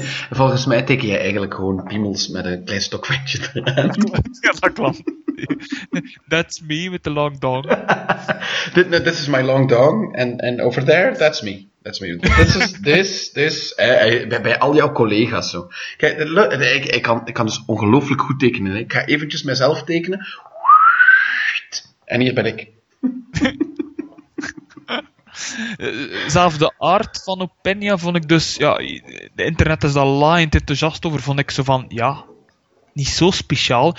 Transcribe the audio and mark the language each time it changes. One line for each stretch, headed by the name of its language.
Dutch: Volgens mij teken jij eigenlijk gewoon piemels met een klein stokvetje eraan. Ja, dat klopt.
English: That's me with the long dong. This is my long dong, and over there, that's me. That's me.
Dutch: This is bij al jouw collega's zo. Kijk, ik kan dus ongelooflijk goed tekenen. Ik ga eventjes mezelf tekenen. En hier ben ik. Zelf de art van Opinia vond ik dus, de internet is daar laaiend enthousiast over, vond ik zo van, niet zo speciaal.